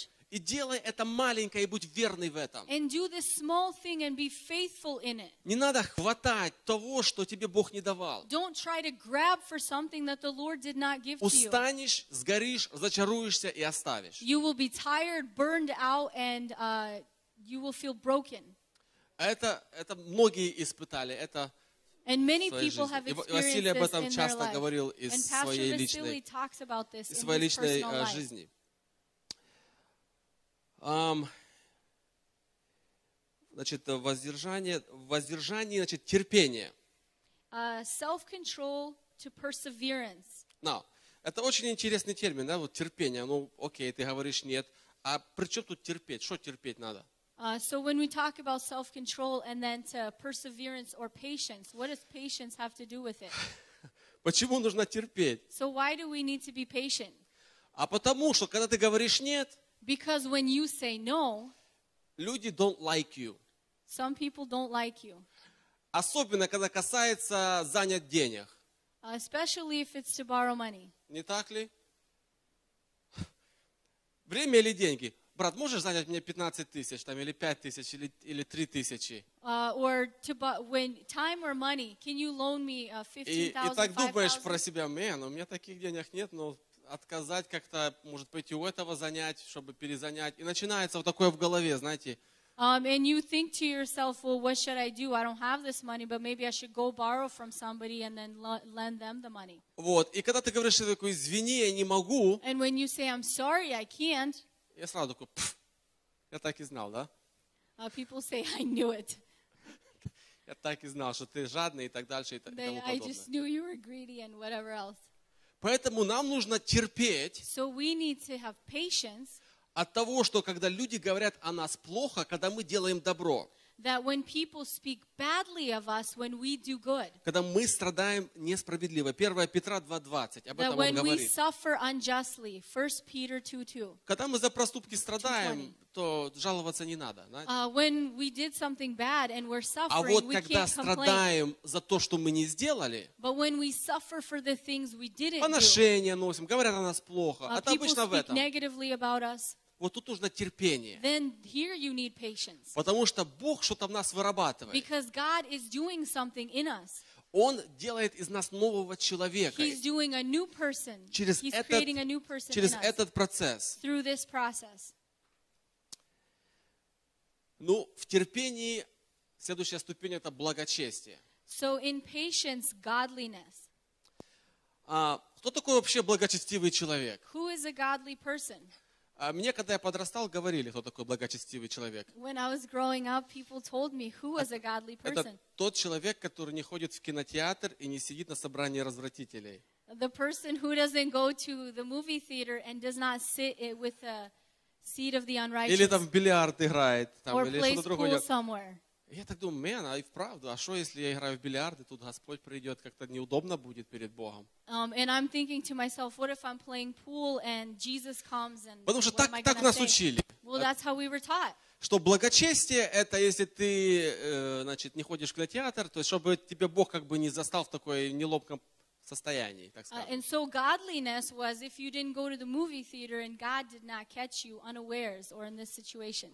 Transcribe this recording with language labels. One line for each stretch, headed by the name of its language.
Russian: и делай это маленькое, и будь верный в этом.
English: And do this small thing and be faithful in it.
Russian: Не надо хватать того, что тебе Бог не давал.
English: Don't try to grab for something that the Lord did not give to you.
Russian: Устанешь, сгоришь, зачаруешься и оставишь.
English: You will be tired, burned out, and you will feel broken.
Russian: Это многие испытали, это
English: And many people have experienced this in their life.
Russian: Говорил,
English: and Pastor Vasily talks about this in his personal life.
Russian: Значит, воздержание, значит, терпение.
English: Self-control to perseverance.
Russian: Now, это очень интересный термин, да, вот терпение. Ну, окей, ты говоришь нет. А при чем тут терпеть? Что терпеть надо?
English: So when we talk about self-control and then to perseverance or patience, what does patience have to do with it?
Russian: Почему нужно терпеть?
English: So why do we need to be patient?
Russian: А потому что, когда ты говоришь нет,
English: Because when you say no,
Russian: люди
English: don't like you. Some people don't like you.
Russian: Особенно, когда касается занять денег.
English: Especially if it's to borrow money.
Russian: Не так ли? Время или деньги? Брат, можешь занять мне 15 тысяч, там, или 5 тысяч, или 3 тысячи?
English: Or to when time or money, can you loan me 15,000, 5,000?
Russian: И так думаешь про себя, man, у меня таких денег нет, но отказать как-то, может, пойти у этого занять, чтобы перезанять. И начинается вот такое в голове, знаете.
English: And you think to yourself, well, what should I do? I don't have this money, but maybe I should go borrow from somebody and then lend them the money.
Russian: Вот. И когда ты говоришь, что такое, извини, я не могу.
English: And when you say, I'm sorry, I can't.
Russian: Я сразу такой, пфф, я так и знал, да?
English: People say, I knew it.
Russian: Я так и знал, что ты жадный и так дальше, и тому подобное.
English: I just knew you were greedy and whatever else.
Russian: Поэтому нам нужно терпеть.
English: So we need to have patience.
Russian: От того, что когда люди говорят о нас плохо, когда мы делаем добро.
English: That when people speak badly of us, when we do good.
Russian: Когда мы страдаем несправедливо. 1 Петра 2:20. Об этом он говорит.
English: That when we suffer unjustly. 1 Peter 2:2.
Russian: Когда мы за проступки страдаем, то жаловаться не надо.
English: When we did something bad and we're suffering,
Russian: а вот когда страдаем за то, что мы не сделали,
English: but when we suffer for the things we didn't do.
Russian: Поношение носим, говорят о нас плохо.
English: People speak
Russian: обычно в этом.
English: Negatively about us.
Russian: Вот тут нужно терпение.
English: Then here you need patience.
Russian: Потому что Бог что-то в нас вырабатывает.
English: Because God is doing something in us.
Russian: Он делает из нас нового человека.
English: He's doing a new person.
Russian: Через
English: He's
Russian: этот,
English: creating a new person
Russian: через
English: in us.
Russian: Этот процесс.
English: Through this process.
Russian: Ну, в терпении следующая ступень — это благочестие.
English: So in patience, godliness.
Russian: Кто такой вообще благочестивый человек?
English: Who is a godly person?
Russian: Мне, когда я подрастал, говорили, кто такой благочестивый человек.
English: When I was growing up, people told me who was a godly person.
Russian: Это тот человек, который не ходит в кинотеатр и не сидит на собрании развратителей.
English: The person who doesn't go to the movie theater and does not sit with the seat of the unrighteous.
Russian: Или там в бильярд играет, там,
English: or
Russian: или что-то другое.
English: Somewhere.
Russian: Я так думаю, man, а и вправду, а что, если я играю в бильярд, и тут Господь придет, как-то неудобно будет перед Богом?
English: And I'm thinking to myself, what if I'm playing pool and Jesus comes and
Russian: Потому что
English: what
Russian: так,
English: am I
Russian: так нас
English: think?
Russian: Учили.
English: Well, that's how we were taught.
Russian: Что благочестие — это если ты, значит, не ходишь в кинотеатр, то есть чтобы тебе Бог как бы не застал в такой неловком состоянии, так сказать.
English: And so godliness was if you didn't go to the movie theater and God did not catch you unawares or in this situation.